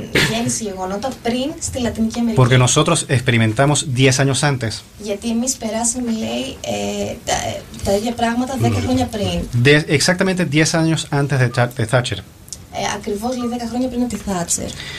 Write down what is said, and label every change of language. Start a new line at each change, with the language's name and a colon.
Greek: Γέννησε γεγονότα πριν στη Λατινική Αμερική.
Spanish: Porque nosotros experimentamos 10 años antes.
Greek: Γιατί εμείς περάσαμε, λέει, τα ίδια πράγματα 10 χρόνια πριν.
Spanish: Exactamente 10 años antes de Thatcher.
Greek: Ακριβώς, λέει, 10 χρόνια πριν από τη Thatcher.